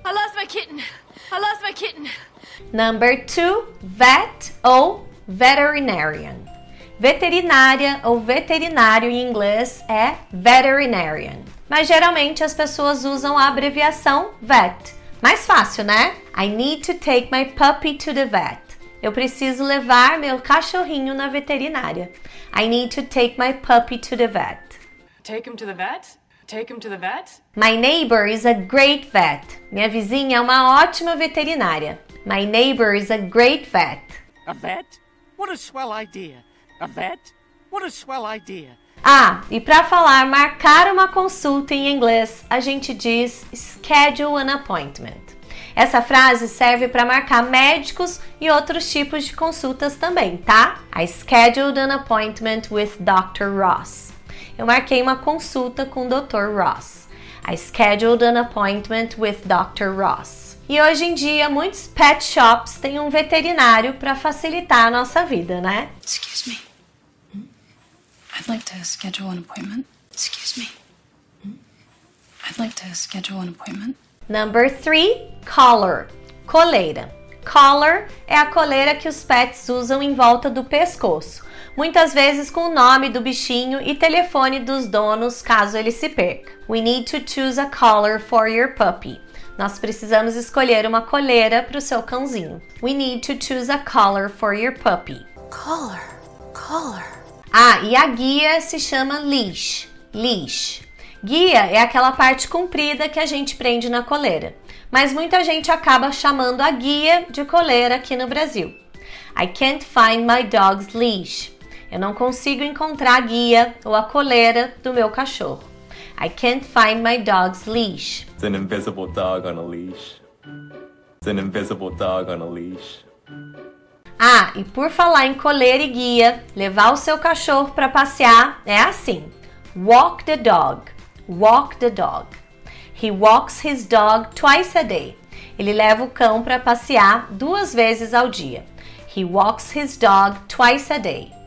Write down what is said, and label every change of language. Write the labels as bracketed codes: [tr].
[en] I lost my kitten. I lost my kitten. Number two, vet ou veterinarian. [pt] Veterinária ou veterinário em inglês é veterinarian. Mas geralmente as pessoas usam a abreviação vet. Mais fácil, né? [en] I need to take my puppy to the vet. [pt] Eu preciso levar meu cachorrinho na veterinária. [en] I need to take my puppy to the vet. Take him to the vet? Take him to the vet? My neighbor is a great vet. [pt] Minha vizinha é uma ótima veterinária. [en] My neighbor is a great vet. A vet? What a swell idea. A vet? What a swell idea. [pt] Ah, e para falar marcar uma consulta em inglês, a gente diz [en] schedule an appointment. [pt] Essa frase serve para marcar médicos e outros tipos de consultas também, tá? [en] I scheduled an appointment with Dr. Ross. [pt] Eu marquei uma consulta com o Dr. Ross. [en] I scheduled an appointment with Dr. Ross. [pt] E hoje em dia, muitos pet shops têm um veterinário para facilitar a nossa vida, né? [en] Excuse me. I'd like to schedule an appointment. Excuse me. I'd like to schedule an appointment. Number three, collar. Coleira. [pt] Collar é a coleira que os pets usam em volta do pescoço, muitas vezes com o nome do bichinho e telefone dos donos caso ele se perca. [en] We need to choose a collar for your puppy. [pt] Nós precisamos escolher uma coleira para o seu cãozinho. [en] We need to choose a collar for your puppy. Collar, collar. [pt] Ah, e a guia se chama leash, leash. Guia é aquela parte comprida que a gente prende na coleira. Mas muita gente acaba chamando a guia de coleira aqui no Brasil. [en] I can't find my dog's leash. [pt] Eu não consigo encontrar a guia ou a coleira do meu cachorro. [en] I can't find my dog's leash. It's an invisible dog on a leash. It's an invisible dog on a leash. [pt] Ah, e por falar em coleira e guia, levar o seu cachorro para passear é assim. [en] Walk the dog. Walk the dog. He walks his dog twice a day. [pt] Ele leva o cão para passear duas vezes ao dia. [en] He walks his dog twice a day.